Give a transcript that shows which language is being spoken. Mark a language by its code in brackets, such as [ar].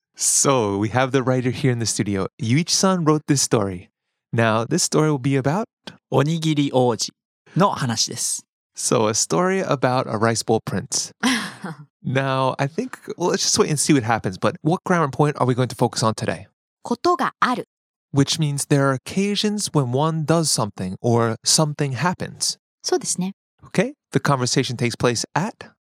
[en] So we have the writer here in the studio. Yuichi-san wrote this story. Now this story will be about [ja] おにぎり王子の話です。 [en] So a story about a rice bowl prince. Now, I think, well, let's just wait and see what happens. But what grammar point are we going to focus on today? [ja] ことがある。 [en] Which means there are occasions when one does something or something happens. [ja] そうですね。 [en] Okay, the conversation takes place at?